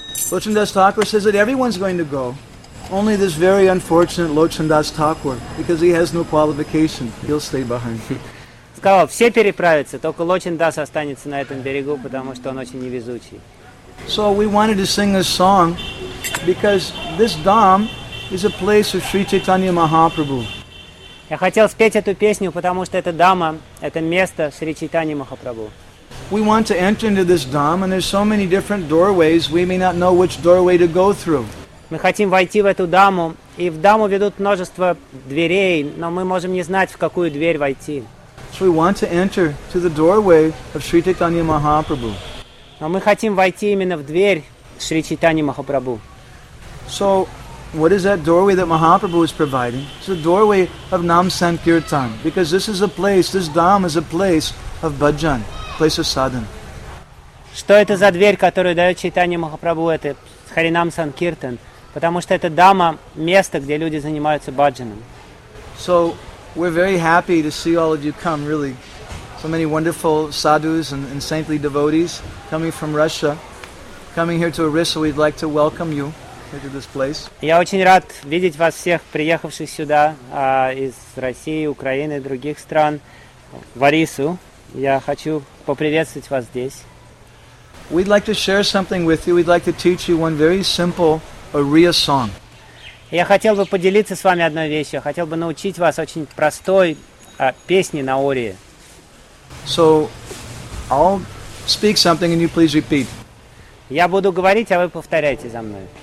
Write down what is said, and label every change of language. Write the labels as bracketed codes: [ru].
[en] Lochan Das Thakur says that everyone's going to go, Only this very unfortunate Lochan Das Thakur, because he has no qualification. He'll stay behind. [ru] Сказал, все переправятся, только Лочин Дас останется на этом берегу, потому что он очень невезучий. [en] So we wanted to sing this song because this dam is a place of Sri Chaitanya Mahaprabhu. [ru] Я хотел спеть эту песню, потому что эта дама – это место Шри Чайтаньи Махапрабху. [en] We want to enter into this dam, and there's so many different doorways, we may not know which doorway to go through. [ru] Мы хотим войти в эту даму, и в даму ведут множество дверей, но мы можем не знать, в какую дверь войти. [en] So we want to enter to the doorway of Sri Chaitanya Mahaprabhu. [ru] Но мы хотим войти именно в дверь Шри Чайтаньи Махапрабху. [en] So, what is that doorway that Mahaprabhu is providing? It's the doorway of Nam Sankirtan, because this is a place, this dam is a place of bhajan, place of sadhan. [ru] Что это за дверь, которую дает Чайтанья Махапрабху? Это Харинам Санкиртан, потому что это дама – место, где люди занимаются бхаджаном. [en] So, we're very happy to see all of you come, really. So many wonderful sadhus and saintly devotees coming from Russia, coming here to Orissa, we'd like to welcome you here to this place. [ru] Я очень рад видеть вас всех, приехавших сюда из России, Украины, других стран, в Орису. Я хочу поприветствовать вас здесь. [en] We'd like to share something with you. We'd like to teach you one very simple Ория song. [ru] Я хотел бы поделиться с вами одной вещью. Я хотел бы научить вас очень простой песне на Ории. [en] So, I'll speak something and you please repeat. [ru] Я буду говорить, а вы повторяйте за мной.